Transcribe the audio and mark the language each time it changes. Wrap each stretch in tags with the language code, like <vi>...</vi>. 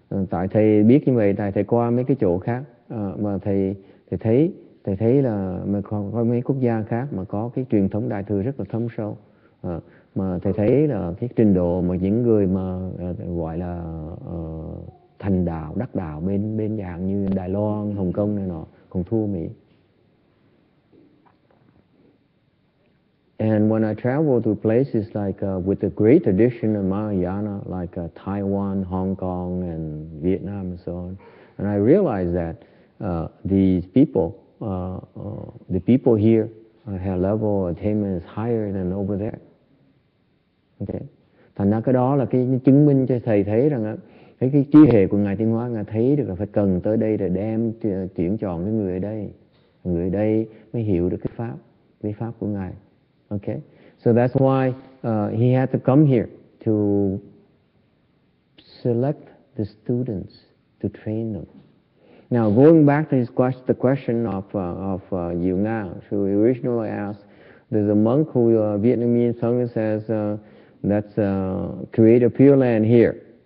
<vi>Tại thầy biết như vậy, tại thầy qua mấy cái chỗ khác mà thầy thấy là mà có mấy quốc gia khác mà có cái truyền thống đại thừa rất là thâm sâu. Mà thầy thấy là cái trình độ mà những người mà gọi là thành đạo, đắc đạo bên dạng như Đài Loan, Hồng Kông này nọ còn thua Mỹ.</vi> <en>And when I travel to places like with the great tradition of Mahayana, like Taiwan, Hong Kong, and Vietnam, and so on, and I realize that the people here have level of attainment is higher than over there.</en> <vi>Okay, thành ra cái đó là cái chứng minh cho thầy thấy rằng thấy cái trí hệ của ngài Thiên Hóa, ngài thấy được là phải cần tới đây để đem tuyển chọn cái người ở đây mới hiểu được cái pháp của ngài.</vi> <en>Okay, so that's why he had to come here to select the students to train them. Now, going back to the question of Yu Nga, who originally asked, there's a monk who Vietnamese Sangha says that's create a pure land here.</en>